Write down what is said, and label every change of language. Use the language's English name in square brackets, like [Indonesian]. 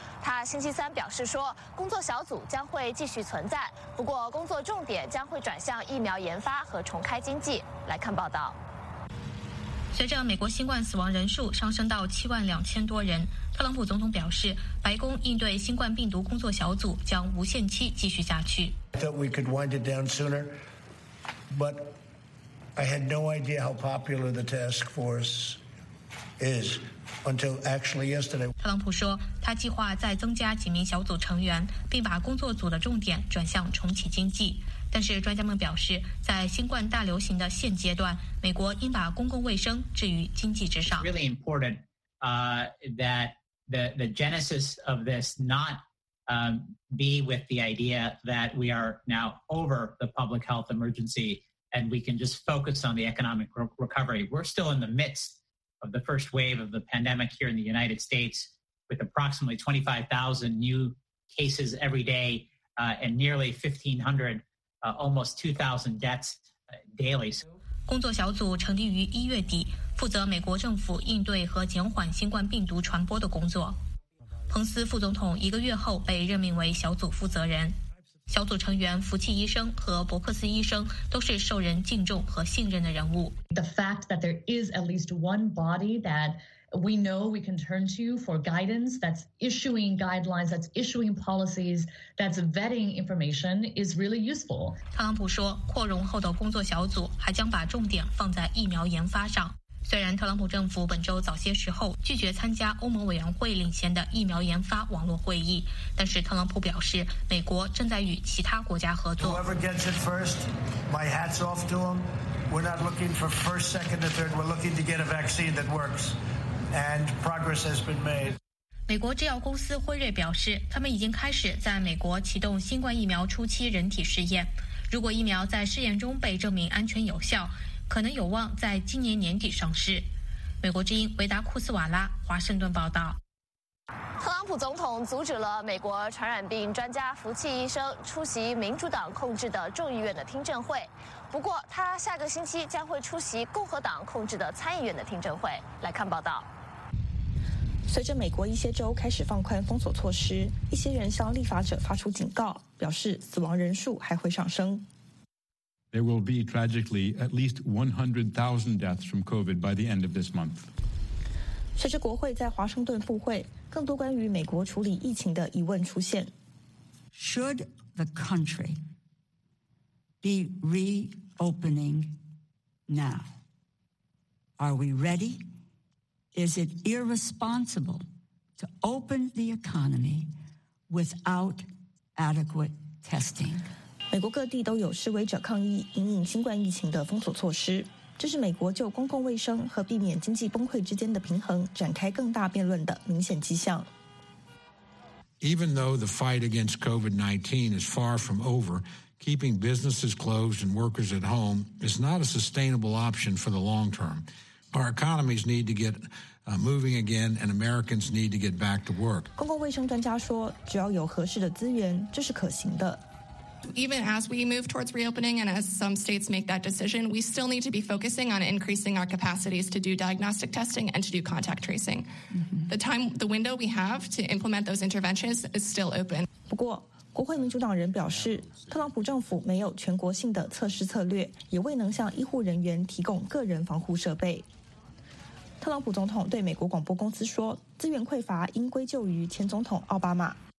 [Chinese] 他星期三表示说，工作小组将会继续存在，不过工作重点将会转向疫苗研发和重开经济。来看报道。随着美国新冠死亡人数上升到72000多人，特朗普总统表示，白宫应对新冠病毒工作小组将无限期继续下去。 [English] I thought we could wind it down sooner, but I had no idea how popular the task force is until actually yesterday. [Chinese] 特朗普说，他计划再增加几名小组成员，并把工作组的重点转向重启经济。但是专家们表示，在新冠大流行的现阶段，美国应把公共卫生置于经济之上。 [English] Really important, that the genesis of this not, be with the idea that we are now over the public health emergency and we can just focus on the economic recovery. We're still in the midst of the first wave of the pandemic here in the United States, with approximately 25,000 new cases every day, and nearly 1,500. Almost 2,000 deaths daily. [Chinese] 工作小组成立于一月底，负责美国政府应对和减缓新冠病毒传播的工作。彭斯副总统一个月后被任命为小组负责人。小组成员福奇医生和伯克斯医生都是受人敬重和信任的人物。 [English] The fact that there is at least one body that we know we can turn to for guidance, that's issuing guidelines, that's issuing policies, that's vetting information is really useful. [Chinese] 特朗普说，扩容后的工作小组还将把重点放在疫苗研发上。虽然特朗普政府本周早些时候拒绝参加欧盟委员会领衔的疫苗研发网络会议，但是特朗普表示，美国正在与其他国家合作。 [English] Whoever gets it first, my hat's off to them. We're not looking for first, second, or third. We're looking to get a vaccine that works. And progress has been made. [Chinese] 美国制药公司辉瑞表示，他们已经开始在美国启动新冠疫苗初期人体试验。如果疫苗在试验中被证明安全有效，可能有望在今年年底上市。美国之音维达库斯瓦拉华盛顿报道。特朗普总统阻止了美国传染病专家福奇医生出席民主党控制的众议院的听证会，不过他下个星期将会出席共和党控制的参议院的听证会。来看报道。随着美国一些州开始放宽封锁措施，一些人向立法者发出警告，表示死亡人数还会上升。 [English] There will be tragically at least 100,000 deaths from COVID by the end of this month. [Chinese] 随着国会在华盛顿复会，更多关于美国处理疫情的疑问出现。 [English] Should the country be reopening now? Are we ready? Is it irresponsible to open the economy without adequate testing? [Chinese] 美国各地都有示威者抗议因应新冠疫情的封锁措施，这是美国就公共卫生和避免经济崩溃之间的平衡展开更大辩论的明显迹象。 [English] Even though the fight against COVID-19 is far from over, keeping businesses closed and workers at home is not a sustainable option for the long term. Our economies need to get moving again, and Americans need to get back to work. [Chinese] 公共卫生专家说，只要有合适的资源，这是可行的。 [English] Even as we move towards reopening and as some states make that decision, we still need to be focusing on increasing our capacities to do diagnostic testing and to do contact tracing. Mm-hmm. The window we have to implement those interventions is still open. [Chinese] 不过，国会民主党人表示，特朗普政府没有全国性的测试策略，也未能向医护人员提供个人防护设备。特朗普总统对美国广播公司说，资源匮乏应归咎于前总统奥巴马。